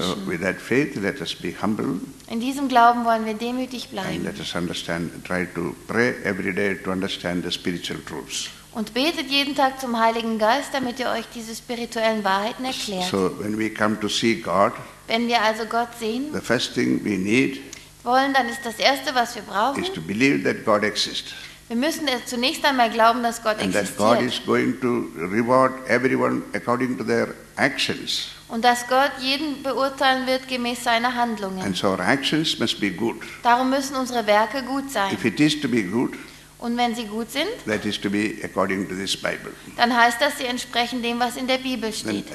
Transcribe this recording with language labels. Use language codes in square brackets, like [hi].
[en] So, with that faith, let us be humble. [de] In diesem Glauben wollen wir demütig bleiben. [en] And let us understand. Try to pray every day to understand the spiritual truths. [de] Und betet jeden Tag zum Heiligen Geist, damit ihr euch diese spirituellen Wahrheiten erklärt. [en] So, when we come to see God, [de] wenn wir also Gott sehen, [en] the first thing we need, [de] wollen, dann ist das Erste, was wir brauchen, [en] is to believe that God exists. [de] Wir müssen zunächst einmal glauben, dass Gott [en] and [de] existiert. [en] And that God is going to reward everyone according to their actions. [de] Und dass Gott jeden beurteilen wird gemäß seiner Handlungen. [en] And so our actions must be good. [de] Darum müssen unsere Werke gut sein. [en] If it is to be good, [de] und wenn sie gut sind, [en] that is to be according to this Bible. [de] Dann heißt das, sie entsprechen dem, was in der Bibel steht.